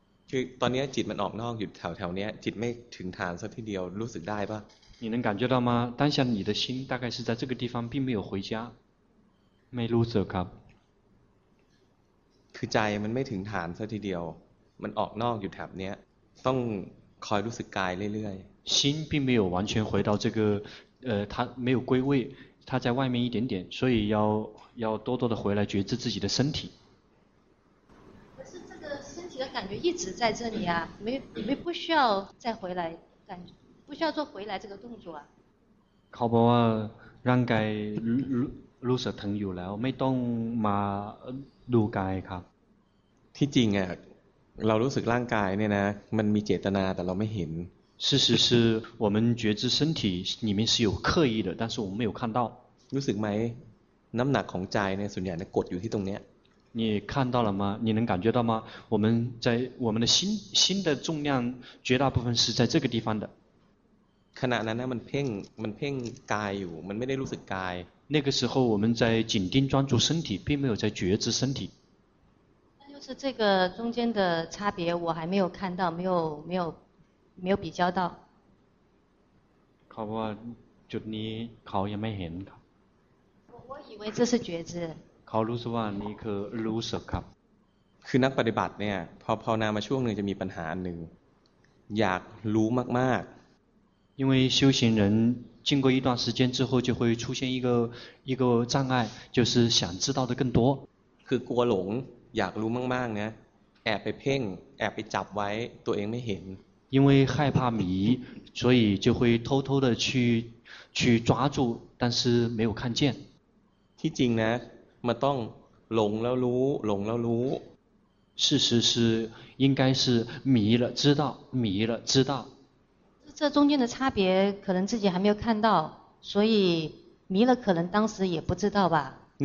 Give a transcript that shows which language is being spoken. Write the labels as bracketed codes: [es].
[th] คือตอนนี้จิตมันออกนอกอยู่แถวๆนี้จิตไม่ถึงฐานสักทีเดียวรู้สึกได้ป่ะ [zh] 你能感觉到吗当下你的心大概是在这个地方并没有回家 [th] ไม่รู้สึกครับ คือใจมันไม่ถึงฐานซะทีเดียวมันออกนอกอยู่แถบเนี้ยต้องคอยรู้สึกกายเรื่อย [zh] ๆ心并没有完全回到这个它没有归位它在外面一点点所以要多多的回来觉知自己的身体可是这个身体的感觉一直在这里啊没不需要再回来感觉不需要做回来这个动作啊 [th] เขาบอกว่าร่างกายรู้สึกถึงอยู่แล้วไม่ต้องมาดูกายครับ ที่จริงอ่ะเรารู้สึกร่างกายเนี่ยนะมันมีเจตนาแต่เราไม่เห็น [zh] 事实是我们觉知身体里面是有刻意的但是我们没有看到 [th] รู้สึกไหมน้ำหนักของใจเนี่ยส่วนใหญ่เนี่ยกดอยู่ที่ตรงเนี้ย [zh] 你看到了吗你能感觉到吗我们在我们的心的重量绝大部分是在这个地方的 [th] ขณะนั้นนะมันเพ่งกายอยู่มันไม่ได้รู้สึกกาย [zh] 那个时候我们在紧盯专注身体并没有在觉知身体那就是这个中间的差别我还没有看到没有比较到 [th] เขาบอกว่าจุดนี้เขายังไม่เห็นครับ [zh] 我以为这是觉知 [th] เขารู้สึกว่านี่คือรู้สึกครับ คือนักปฏิบัติเนี่ยพอภาวนามาช่วงหนึ่งจะมีปัญหาหนึ่งอยากรู้มาก [zh] ๆ因为修行人经过一段时间之后就会出现一个障碍就是想知道的更多 [th] คือกลัวหลงอยากรู้มากๆนะแอบไปเพ่งแอบไปจับไว้ตัวเองไม่เห็น [zh] 因为害怕迷所以就会偷偷的去抓住但是没有看见 [th] ที่จริงนะมันต้องหลงแล้วรู้หลงแล้วรู้ [zh] 事实是应该是迷了知道迷了知道这中间的差别可能自己还没有看到所以迷了可能当时也不知道吧